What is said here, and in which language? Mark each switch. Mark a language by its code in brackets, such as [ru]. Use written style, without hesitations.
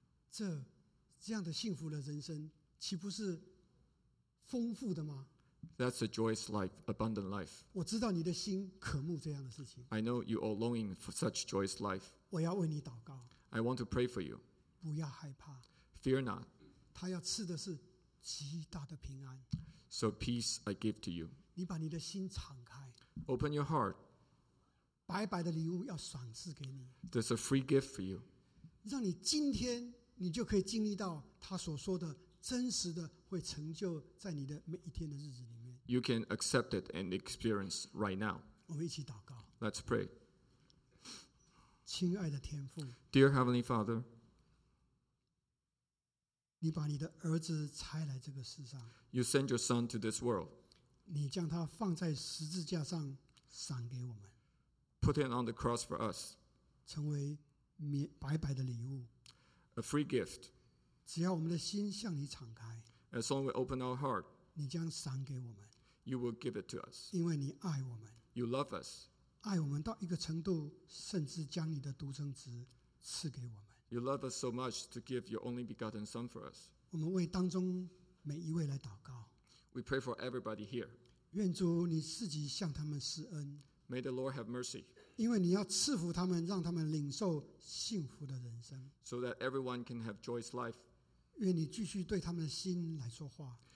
[zh] 这样的幸福的人生岂不是丰富的吗？ [en] That's a joyous life, abundant life. [zh] 我知道你的心渴慕这样的事情。 [en] I know you are longing for such joyous life. [zh] 我要为你祷告。 [en] I want to pray for you. [zh] 不要害怕。 [en] Fear not. [zh] 他要赐的是极大的平安。 [en] So peace I give to you. [zh] 你把你的心敞开。 [en] Open your heart. [zh] 白白的礼物要赏赐给你。 [en] There's a free gift for you. [zh] 让你今天你就可以经历到他所说的真实的会成就在你的每一天的日子里面。 [en] You can accept it and experience right now. [zh] 我们一起祷告。 [en] Let's pray. [zh] 亲爱的天父， [en] Dear Heavenly Father， [zh] 你把你的儿子差来这个世上， [en] You send your son to this world， [zh] 你将他放在十字架上赏给我们， [en] Put him on the cross for us， [zh] 成为白白的礼物， [en] A free gift， [zh] 只要我们的心向你敞开， [en] As long as we open our heart， [zh] 你将赏给我们， [en] You will give it to us， [zh] 因为你爱我们， [en] You love us， [zh] 爱我们到一个程度，甚至将你的独生子赐给我们。 [en] You love us so much to give your only begotten Son for us. [zh] 我们为当中每一位来祷告。 [en] We pray for everybody here. [zh] 愿主你自己向他们施恩。 [en] May the Lord have mercy. [zh] 因为你要赐福他们，让他们领受幸福的人生。 [en] So that everyone can have joyous life. [zh] 愿你继续对他们的心来说话。